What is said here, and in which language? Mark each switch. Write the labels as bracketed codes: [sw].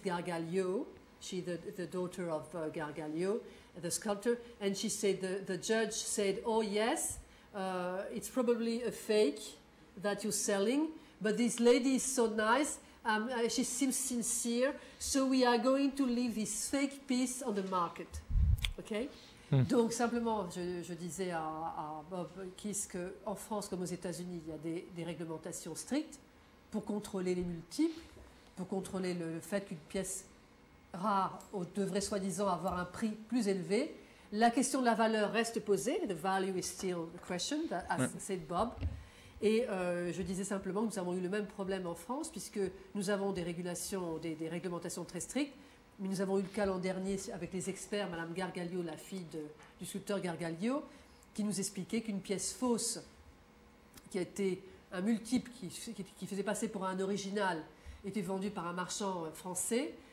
[en] Gargaglio, she the daughter of Gargaglio, the sculptor. And she said, the judge said, oh yes, it's probably a fake that you're selling, but this lady is so nice, she seems sincere, so we are going to leave this fake piece on the market. Okay? Mm. [fr] Donc, simplement, je disais à Bob Kiss qu'en France comme aux États-Unis, il y a des réglementations strictes pour contrôler les multiples, pour contrôler le fait qu'une pièce rare devrait soi-disant avoir un prix plus élevé. La question de la valeur reste posée. [en] The value is still the question, as said Bob. [fr] Et je disais simplement que nous avons eu le même problème en France, puisque nous avons des régulations, des réglementations très strictes. Mais nous avons eu le cas l'an dernier avec les experts, Madame Gargaglio, la fille du sculpteur Gargaglio, qui nous expliquait qu'une pièce fausse, qui était un multiple, qui faisait passer pour un original, était vendue par un marchand français.